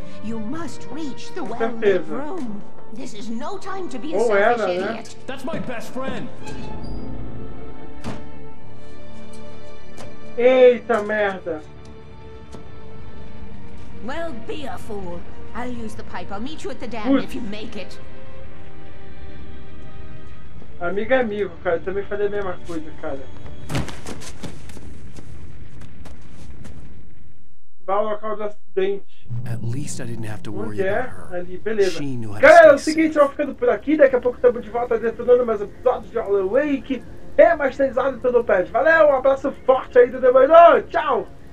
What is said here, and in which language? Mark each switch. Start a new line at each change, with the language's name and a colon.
English: You must reach the well-lit room. This is no time to be a selfish idiot. That's my best friend.
Portuguese: Eita merda.
English: Well, be a fool. I'll use the pipe. I'll meet you at the dam if you make it.
Portuguese: Amigo é amigo, cara. Eu também falei a mesma coisa, cara. Vai ao local do acidente.
English: At least I didn't have to worry about her.
Portuguese: Ali, beleza. Cara, é o seguinte, eu vou ficando por aqui. Daqui a pouco estamos de volta detonando mais episódios de Hollow Wake. Remasterizado todo o patch. Valeu, um abraço forte aí do demônio. Tchau!